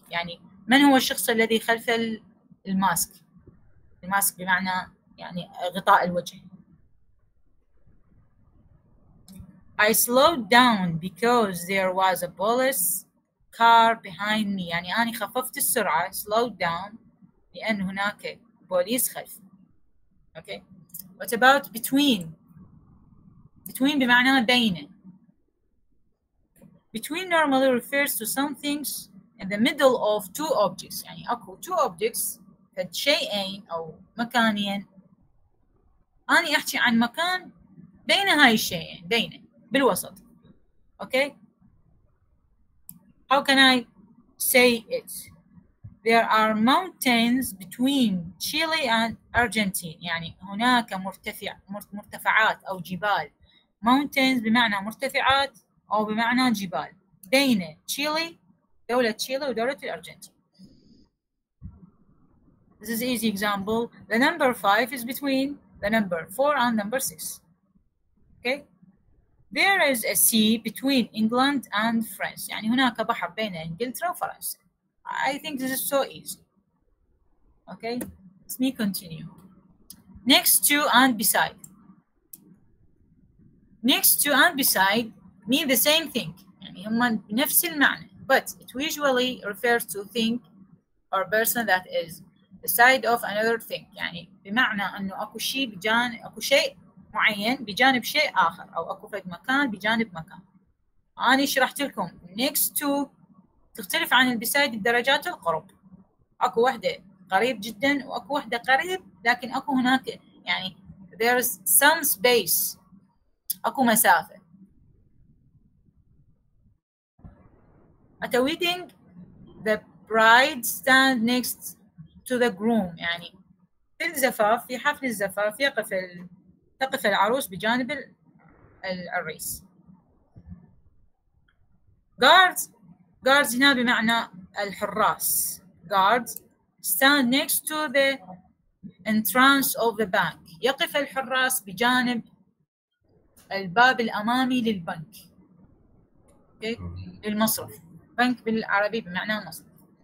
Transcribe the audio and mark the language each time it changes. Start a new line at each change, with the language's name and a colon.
Arabic: يعني من هو الشخص الذي خلف الماسك؟ الماسك بمعنى يعني غطاء الوجه.
English: I slowed down because there was a police car behind me.
Arabic: يعني أنا خففت السرعة,
English: slowed down,
Arabic: لأن هناك بوليس خلفي.
English: Okay. What about between? Between
Arabic: بمعنى بين.
English: Between normally refers to some things in the middle of two objects.
Arabic: يعني أكو
English: two objects
Arabic: had شيئين أو مكانين. أنا أحكي عن مكان بين هاي الشيئين, بين بالوسط.
English: Okay. How can I say it? There are mountains between Chile and Argentina.
Arabic: يعني هناك مرتفعات أو جبال. Mountains بمعنى مرتفعات أو بمعنى جبال. بين تشيلي, دولة تشيلي ودولة الأرجنتين.
English: This is easy example. The number 5 is between the number 4 and number 6. Okay. There is a sea between England and France. يعني هناك بحر بين إنجلترا وفرنسا. I think this is so easy. Okay, let me continue. Next to and beside. Next to and beside mean the same thing.
Arabic: يعني هما بنفس المعنى.
English: But it usually refers to thing or person that is beside of another thing.
Arabic: يعني بمعنى أنه أكو شيء بجانب, أكو شيء معين بجانب شيء آخر, أو أكو في مكان بجانب مكان. أنا شرحت لكم next to تختلف عن البسايد بدرجات القرب. اكو واحدة قريب جدا واكو واحدة قريب, لكن اكو هناك يعني
English: there is some space,
Arabic: اكو مسافة.
English: At a wedding the bride stand next to the groom.
Arabic: يعني في الزفاف, في حفل الزفاف تقف العروس بجانب العريس. Guards هنا بمعنى الحراس.
English: Guards stand next to the entrance of the bank.
Arabic: يقف الحراس بجانب الباب الأمامي للبنك. Okay. للمصرف. بنك بالعربي بمعنى المصرف.